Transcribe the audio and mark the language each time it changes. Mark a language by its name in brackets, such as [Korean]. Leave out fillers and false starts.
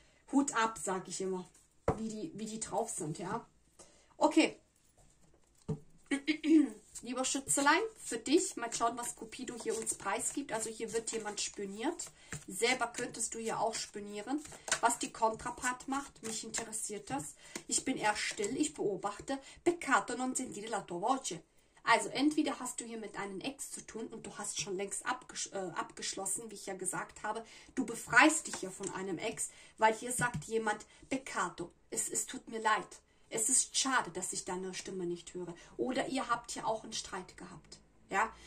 [German] Hut ab, sage ich immer, wie die drauf sind, ja. Okay. Lieber Schützelein, für dich, mal schauen, was Cupido hier uns preisgibt. Also hier wird jemand spioniert. Selber könntest du hier auch spionieren. Was die Kontrapart macht, mich interessiert das. Ich bin eher still, ich beobachte. [Italian] Peccato non sentire la tua voce. [German] Also entweder hast du hier mit deinem Ex zu tun und du hast schon längst abgeschlossen, wie ich ja gesagt habe. Du befreist dich ja von einem Ex, weil hier sagt jemand, Peccato, es tut mir leid. Es ist schade, dass ich deine Stimme nicht höre. Oder ihr habt hier auch einen Streit gehabt. Ja?